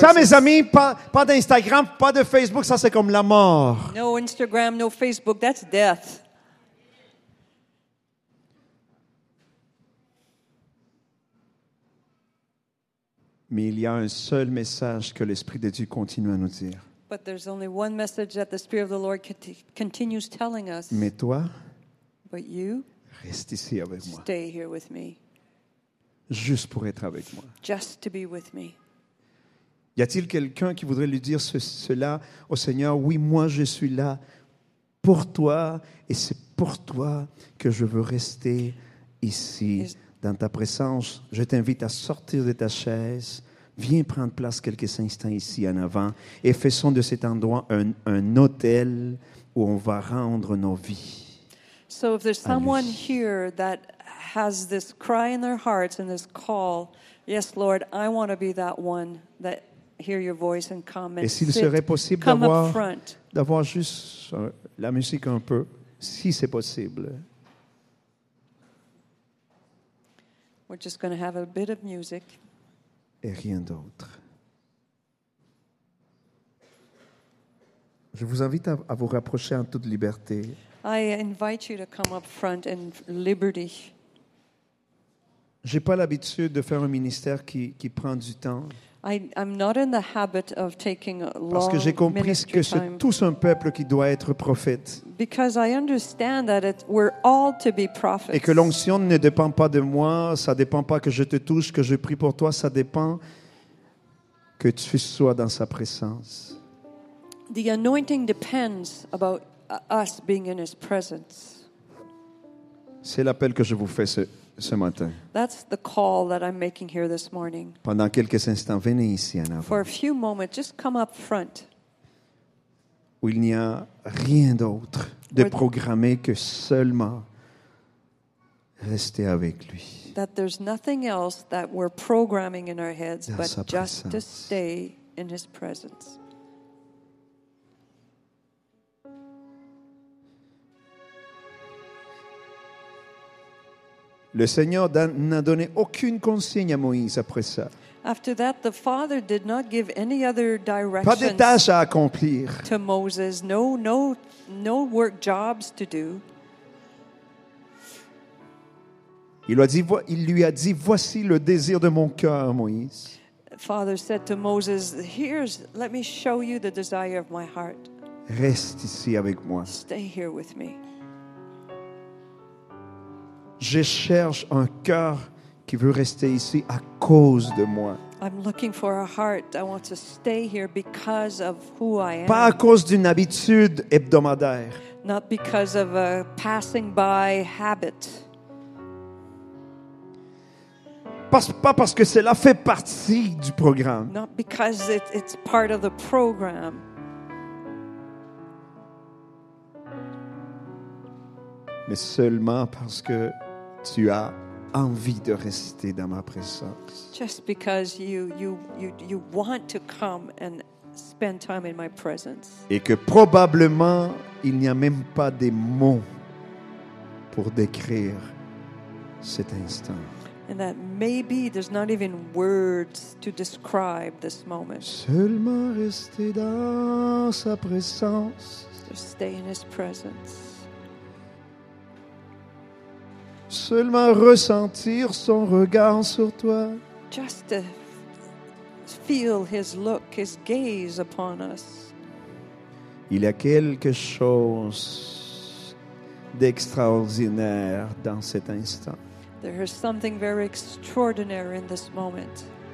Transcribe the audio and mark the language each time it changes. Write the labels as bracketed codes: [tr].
[fr] Ça, mes amis, pas d'Instagram, pas de Facebook. Ça, c'est comme la mort. [en] No Instagram, no Facebook. That's death. [fr] Mais il y a un seul message que l'Esprit de Dieu continue à nous dire. [en] But there's only one message that the Spirit of the Lord continues telling us. [fr] Mais toi, [en] but you, [fr] reste ici avec [en] stay [fr] moi. [en] Stay here with me. [fr] Juste pour être avec moi. [en] Just to be with me. [fr] Y a-t-il quelqu'un qui voudrait lui dire cela au Seigneur? Oui, moi je suis là pour toi et c'est pour toi que je veux rester ici. Dans ta présence, je t'invite à sortir de ta chaise. Viens prendre place quelques instants ici en avant et faisons de cet endroit un hôtel où on va rendre nos vies. [en] So if there's someone here that has this cry in their hearts and this call, yes, Lord, I want to be that one that hear your voice and come and [fr] et s'il [en] sit, [fr] serait possible d'avoir juste la musique un peu, si c'est possible. [en] We're just going to have a bit of music. [fr] Et rien d'autre. Je vous invite à vous rapprocher en toute liberté. [en] I invite you to come up front in liberty. [fr] J'ai pas l'habitude de faire un ministère qui prend du temps. [en] I'm not in the habit of taking a long [fr] parce que j'ai compris que c'est tous un peuple qui doit être prophète. [en] Because I understand that we're all to be prophets. [fr] Et que l'onction ne dépend pas de moi, ça dépend pas que je te touche, que je prie pour toi, ça dépend que tu sois dans sa présence. [en] The anointing depends about us being in his presence. [fr] C'est l'appel que je vous fais ce matin. [en] That's the call that I'm making here this morning. [fr] Pendant quelques instants, venez ici en avant. [en] For a few moments, just come up front. [fr] Où il n'y a rien d'autre de programmé que seulement rester avec lui. [en] That there's nothing else that we're programming in our heads but just to stay in his presence. [fr] Le Seigneur n'a donné aucune consigne à Moïse après ça. [en] After that, the Father did not give any other directions. [fr] Pas de tâches à accomplir. [en] To Moses, no work jobs to do. [fr] Il lui a dit, voici le désir de mon cœur, Moïse. [en] Father said to Moses, let me show you the desire of my heart. [fr] Reste ici avec moi. [en] Stay here with me. [fr] Je cherche un cœur qui veut rester ici à cause de moi. [en] I'm looking for a heart. I want to stay here because of who I am. [fr] Pas à cause d'une habitude hebdomadaire. [en] Not because of a passing by habit. [fr] Pas parce que cela fait partie du programme. [en] Not because it's part of the program. [fr] Mais seulement parce que tu as envie de rester dans ma présence. [en] Just because you want to come and spend time in my presence. [fr] Et que probablement il n'y a même pas des mots pour décrire cet instant. [en] And that maybe there's not even words to describe this moment. [fr] Seulement rester dans sa présence. [en] Just stay in his presence. [fr] Seulement ressentir son regard sur toi. [en] Just to feel his look, his gaze upon us. [fr] Il y a quelque chose d'extraordinaire dans cet instant. [en] There is something very extraordinary in this moment.